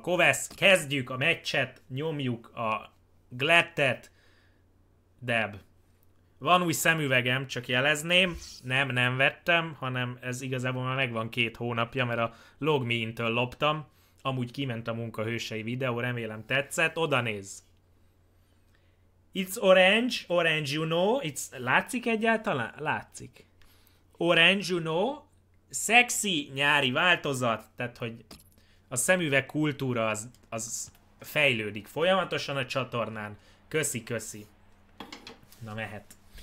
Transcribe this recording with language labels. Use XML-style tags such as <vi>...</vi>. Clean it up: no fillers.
<hu>Kovesz, kezdjük a meccset, nyomjuk a glettet. Deb. Van új szemüvegem, csak jelezném. Nem vettem, hanem ez igazából már megvan 2 hónapja, mert a LogMeIn-től loptam. Amúgy kiment a munkahősei videó, remélem tetszett. Oda néz.</hu> <en>It's orange, orange you know, it's...</en> <hu>Látszik egyáltalán? Látszik.</hu> <en>Orange you know,</en> <hu>sexy nyári változat, tehát hogy a szemüveg kultúra az fejlődik folyamatosan a csatornán. Köszi. Na mehet.</hu>